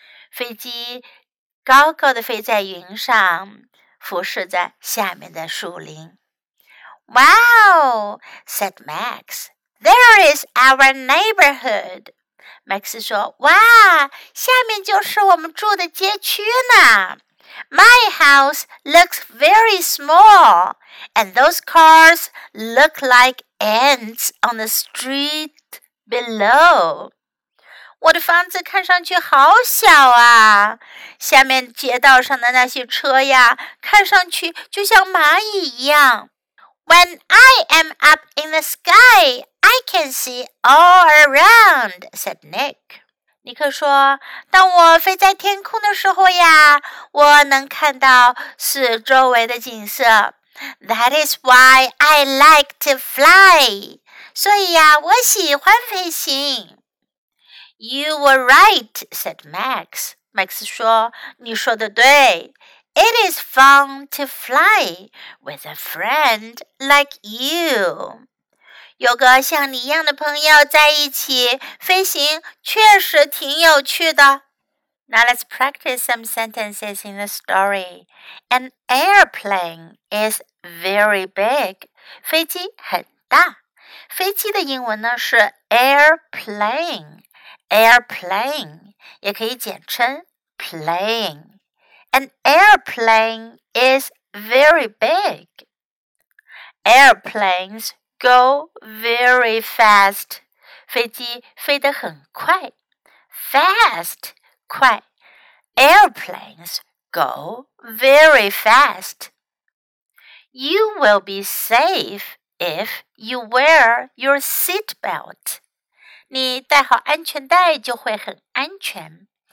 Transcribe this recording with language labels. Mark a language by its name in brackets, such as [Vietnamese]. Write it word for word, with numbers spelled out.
[Chinese] 飞机高高的飞在云上，俯视在下面的树林。 [English] Wow, said Max. There is our neighborhood. [Chinese] Max 说，哇，下面就是我们住的街区呢。 [English] My house looks very small, and those cars look like ants on the street below. [Chinese] 我的房子看上去好小啊，下面街道上的那些车呀，看上去就像蚂蚁一样。 [English] When I am up in the sky, I can see all around, said Nick. [Chinese] 尼克说，当我飞在天空的时候呀，我能看到四周围的景色。 [English] That is why I like to fly. [Chinese] 所以呀，我喜欢飞行。 [English] You were right, said Max. [Chinese] Max 说，你说的对。 [English] It is fun to fly with a friend like you. [Chinese] 有个像你一样的朋友在一起飞行确实挺有趣的。 [English] Now let's practice some sentences in the story. An airplane is very big. [Chinese] 飞机很大。飞机的英文呢是 airplane, airplane 也可以简称 plane. [English] An airplane is very big. Airplanes go very fast. [Chinese] 飞机飞得很快。Fast. [English] 快 Airplanes go very fast. You will be safe if you wear your seat belt. [Chinese] 你戴好安全带就会很安全。